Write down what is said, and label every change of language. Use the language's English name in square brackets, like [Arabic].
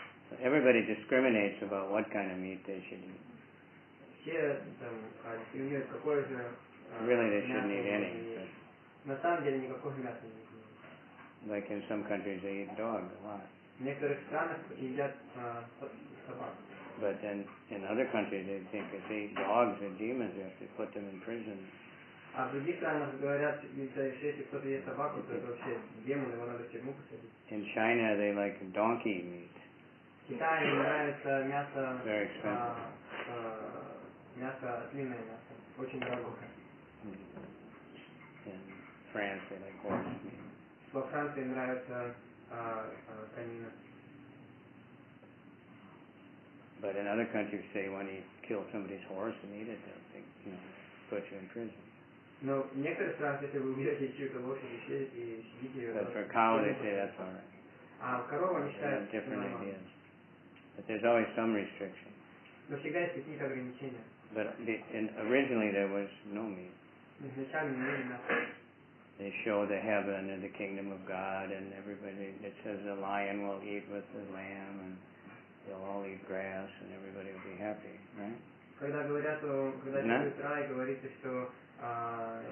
[English] So everybody discriminates about what kind of meat they should eat. [Russian] Все там дискриминируют, какое же [English] really they shouldn't eat any. [Russian] На самом деле никакого мяса не едят. [English] Like in some countries they eat dog a lot. [Russian] В некоторых странах едят собак. [English] But then in other countries they think if they eat dogs and demons they have to put them in prison. [Russian] А в других странах говорят, если кто-то ест собаку, то это вообще демон, его надо в тюрьму посадить. [English] In China they like donkey meat. [Russian] В Китае им нравится мясо. [English] Very expensive. [Russian] Мясо, ослиное мясо. Очень дорогое. [English] In France they like horse meat. [Russian] Во Франции им нравится конина. [English] But in other countries, say when you kill somebody's horse and eat it, they'll think, you know, put you in prison. No, in some countries, if you kill somebody's horse, you eat it. But for a cow, they say that's all right. Cow, they say. Different ideas. But there's always some restriction. [Russian] Но всегда есть какие-то ограничения. [English] But and originally there was no meat. [Russian] Изначально не было мяса. [English] They show the heaven and the kingdom of God, and everybody. It says the lion will eat with the lamb and. They'll all eat grass and everybody will be happy, right?